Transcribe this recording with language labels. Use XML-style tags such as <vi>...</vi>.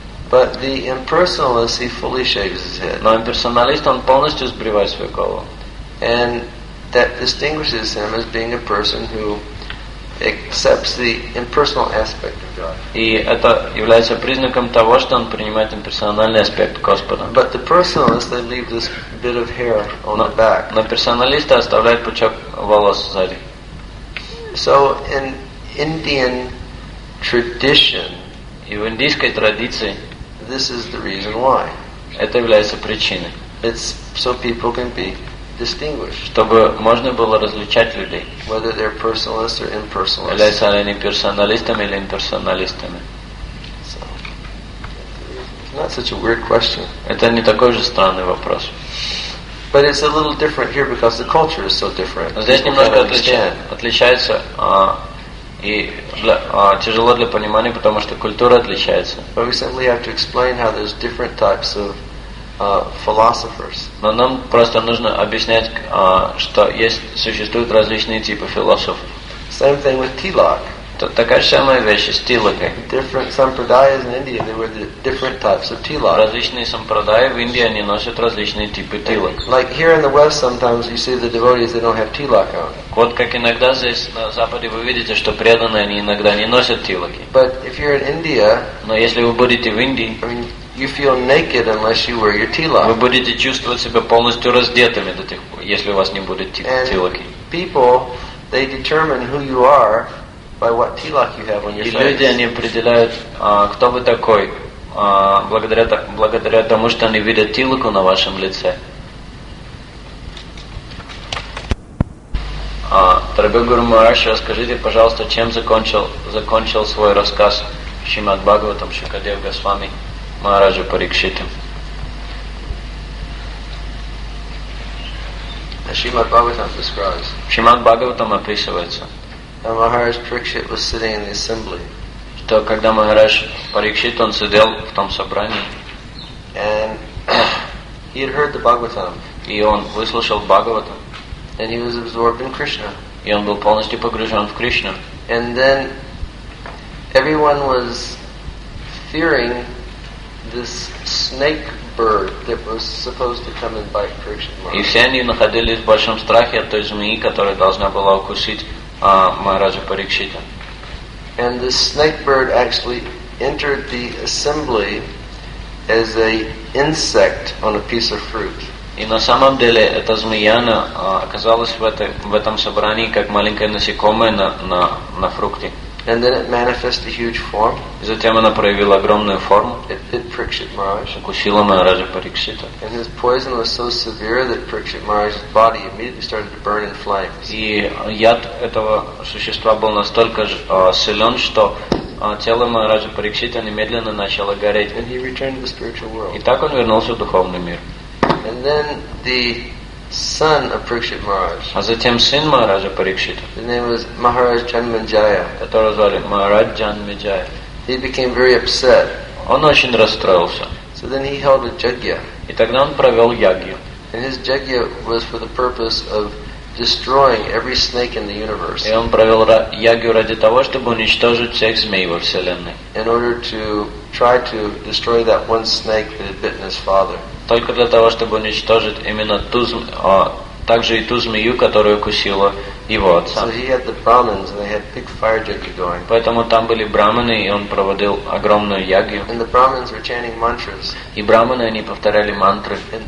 <en>But the impersonalist, he fully shaves his head.</en> <ru>Но имперсоналист, он полностью сбривает свою голову.</ru> <en>And that distinguishes him as being a person who accepts the impersonal aspect of God.</en> <ru>И это является признаком того, что он принимает имперсональный аспект Господа.</ru> <en>But the personalist, they leave this bit of hair on the back.</en> <ru>Но персоналисты оставляют пучок волос сзади.</ru> <en>So in Indian tradition,</en> <ru>и в индийской традиции,</ru> <en>this is the reason why.</en> <ru>Это является причиной.</ru> <en>It's so people can be distinguished.</en> <ru>Чтобы можно было различать людей.</ru> <en>Whether they're personalists or impersonalists.</en> <ru>Являются ли они персоналистами или имперсоналистами.</ru> <en>So, not such a weird question.</en> <ru>Это не такой же странный вопрос.</ru> <en>But it's a little different here because the culture is so different.</en> <ru>Но здесь немножко отличается, тяжело для понимания, потому что культура отличается.</ru> <en>But we simply have to explain how there's different types of philosophers.</en> <ru>Но нам просто нужно объяснять, что существуют различные типы философов.</ru> <en>Same thing with Tilak.</en> <ru>Такая же самая вещь с Тилакой.</ru> <en>Different sampradayas in India, they were the different types of Tilak.</en> <ru>Различные сампрадаи в Индии, они носят различные типы Тилак.</ru> <en>Like here in the West, sometimes you see the devotees, they don't have Tilak on.</en> <ru>Вот как иногда здесь на Западе вы видите, что преданные они иногда не носят Тилаки.</ru> <en>But if you're in India,</en> <ru>но если вы будете в Индии,</ru> <en>I mean, you feel naked unless you wear your tilak.</en> <ru>Вы будете чувствовать себя полностью раздетыми до тех пор, если у вас не будет тилаки.</ru> <en>And people, they determine who you are by what tilak you have on your face.</en> <ru>И люди они определяют, кто вы такой, благодаря тому, что они видят тилаку на вашем лице. Дорогой Гуру Махарадж, расскажите, пожалуйста, чем закончил свой рассказ Шримад Бхагаватам Шукадев Госвами Махараджа Парикшита.</ru> <en>Шримад Бхагаватам describes.</en> <ru>Шримад Бхагаватам описывается.</ru> <en>That Maharaj Parikshit was sitting in the assembly.</en> <ru>Что когда Махарадж Парикшит, он сидел в том собрании.</ru> <en>And He had heard the Bhagavatam.</en> <ru>И он выслушал Бхагаватам.</ru> <en>And he was absorbed in Krishna.</en> <ru>И он был полностью погружен в Кришну.</ru> <en>And then everyone was fearing this snake bird that was supposed to come and bite Krishna Maharaj.</en> <ru>И все они находились в большом страхе от той змеи, которая должна была укусить Махараджа Парикшита.</ru> <en>And this snake bird actually entered the assembly as an insect on a piece of fruit.</en> <ru>И на самом деле эта змея оказалась в этом собрании как маленькое насекомое на фрукте.</ru> <en>And then it manifested a huge form.</en> <ru>И затем она проявила огромную форму.</ru> <en>It bit Prikshit Maharaj.</en> <ru>Укусила Махараджа Парикшита.</ru> <en>And his poison was so severe that Prikshit Maharaj's body immediately started to burn in flames.</en> <ru>И яд этого существа был настолько силен, что тело Махараджа Парикшита немедленно начало гореть.</ru> <en>And he returned to the spiritual world.</en> <ru>И так он вернулся в духовный мир.</ru> <en>And then the son of Prikshit Maharaj.</en> <ru>А затем сын Махараджа Парикшита.</ru> <en>His name was Maharaj Janmanjaya.</en> <ru>Которого звали Махарад Джанмеджая.</ru> <en>He became very upset.</en> <ru>Он очень расстроился.</ru> <en>So then he held a jagya.</en> <ru>И тогда он провел ягью.</ru> <en>And his jagya was for the purpose of destroying every snake in the universe.</en> <ru>И он провел ягью ради того, чтобы уничтожить всех змей во вселенной.</ru> <en>In order to try to destroy that one snake that had bitten his father.</en> <ru>Только для того, чтобы уничтожить именно ту змею, также и ту змею, которую кусила его отца.</ru> <en>So</en> <ru>поэтому там были браманы, и он проводил огромную ягью.</ru> <en>And the brahmins were chanting mantras.</en> <ru>И браманы, они повторяли мантры.</ru>